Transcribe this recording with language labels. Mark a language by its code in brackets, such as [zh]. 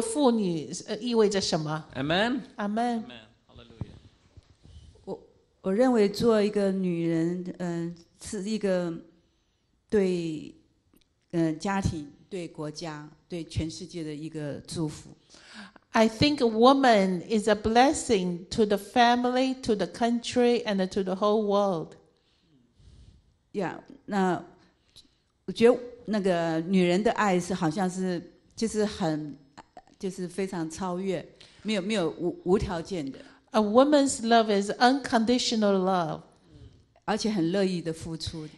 [zh] 今天就是请你们讲一分钟的时间，说就是作为妇女意味着什么。 [en] Amen. Amen. Amen. Hallelujah. [zh] 我认为做一个女人，是一个对家庭、对国家、对全世界的一个祝福。 [en] I think a woman is a blessing to the family, to the country, and to the whole world. [zh] Yeah, 那我觉得那个女人的爱是好像是就是很就是非常超越，没有无条件的。 [en] A woman's love is unconditional love. [zh] 而且很乐意的付出。